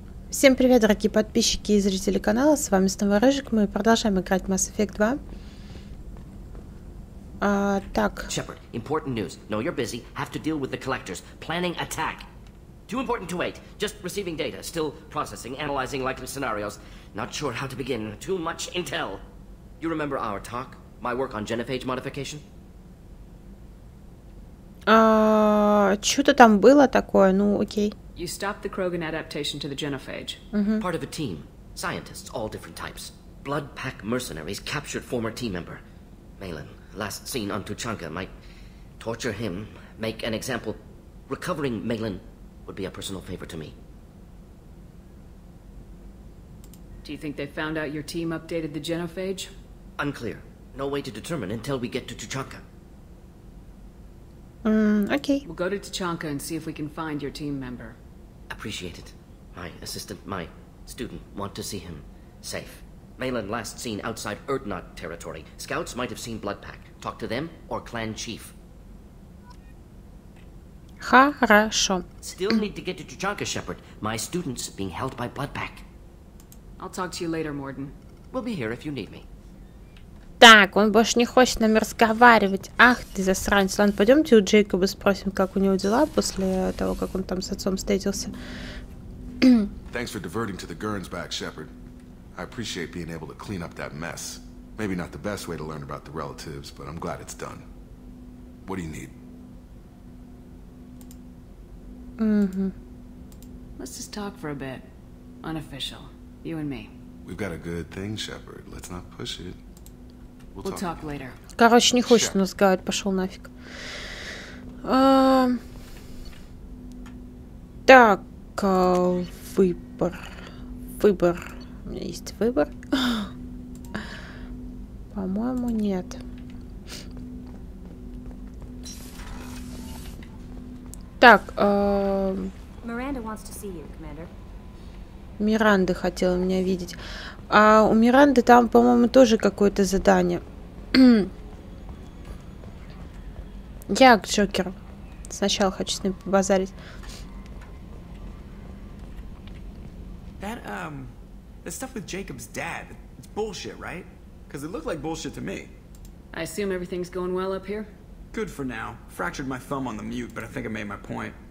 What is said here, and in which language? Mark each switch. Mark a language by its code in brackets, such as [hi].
[ru] Всем привет, дорогие подписчики и зрители канала, с вами снова Рыжик, мы продолжаем играть в Mass Effect 2. Так. [en] Shepard, important news. No, you're busy. Have to deal with the collectors. Planning attack. Too important to wait. Just receiving data. Still processing, analyzing likely scenarios. Not sure how to begin. Too much intel. You remember our talk? My work on genophage modification? [ru] Что-то там было такое, ну окей. [en] You stopped the Krogan adaptation to the genophage. Mm-hmm. Part of a team. Scientists, all different types. Blood pack mercenaries captured former team member. Malin, last seen on Tuchanka, might torture him, make an example. Recovering Malin would be a personal favor to me. Do you think they found out your team updated the genophage? Unclear. No way to determine until we get to Tuchanka. Okay. We'll go to Tuchanka and see if we can find your team member. Appreciate it. My assistant, my student, want to see him safe. Malin last seen outside Erdnot territory. Scouts might have seen Blood Pack. Talk to them or Clan Chief. [ru] Хорошо. [en] Still need to get to Tuchanka, Shepard. My students being held by Blood Pack. I'll talk to you later, Morden. We'll be here if you need me. [ru] Так, он больше не хочет с нами разговаривать. Ах ты засранец. Ладно, пойдемте у Джейкоба спросим, как у него дела после того, как он там с отцом встретился. [en] Thanks for diverting to the Gurns back, Shepard. I appreciate being able to clean up that mess. Maybe not the best way to learn about the relatives, but I'm glad it's done. What do you need? Mm-hmm. Let's just talk for a bit. Unofficial. You and me. We've got a good thing, Shepard. Let's not push it. We'll talk later. [ru] Короче, не хочет нас говорить, пошел нафиг. Так, выбор. Выбор. У меня есть выбор. По-моему, нет. Так, [en] Miranda wants to see you, Commander. [ru] Миранда хотела меня видеть. А у Миранды там, по-моему, тоже какое-то задание. Я к Джокеру. Сначала хочу с ним побазарить. [en] That, that stuff with Jacob's dad, it's bullshit, right? Because it looked like bullshit to me. I assume everything's going well up here? Good for now. Fractured my thumb on the mute, but I think I made my point.